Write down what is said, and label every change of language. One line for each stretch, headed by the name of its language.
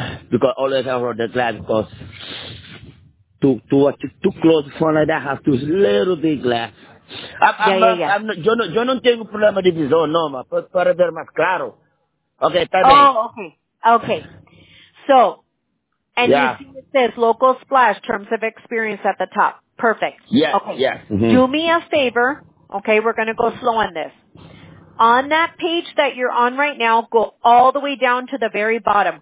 English: Because always I wrote the glass because to watch it too close for like that has to use a little big glass.
Spanish: Yo no tengo problema de visión, no, ma. Para ver más claro. Okay, también.
English: Oh, okay. So, you see it says Local Splash, Terms of Experience at the top. Perfect. Yes, okay. Yes. Mm-hmm. Do me a favor. Okay, we're going to go slow on this. On that page that you're on right now, go all the way down to the very bottom.